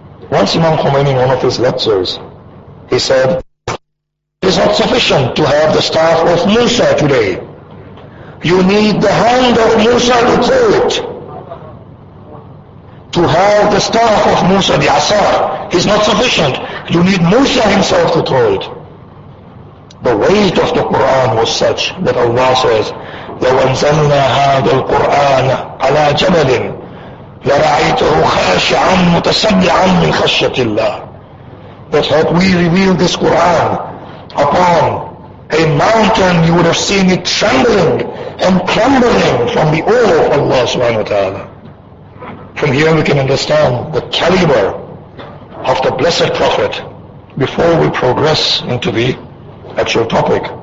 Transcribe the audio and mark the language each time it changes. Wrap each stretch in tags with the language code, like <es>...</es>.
<en>Once Imam Khomeini, in one of his lectures, he said, it is not sufficient to have the staff of Musa today. You need the hand of Musa to pull it. To have the staff of Musa, the Asa, is not sufficient. You need Musa himself to throw it. The weight of the Qur'an was such that Allah says,</en> <ar>وَنْزَلْنَا هَذَا الْقُرْآنَ عَلَىٰ جَبَلٍ لَرَعَيْتَهُ خَاشِعًا مُتَسَدِّعًا مِنْ خَشَّةِ اللَّهِ.</ar> <en>That's how we reveal this Qur'an upon a mountain, you would have seen it trembling and crumbling from the awe of Allah subhanahu wa ta'ala. From here we can understand the caliber of the Blessed Prophet before we progress into the actual topic.</en>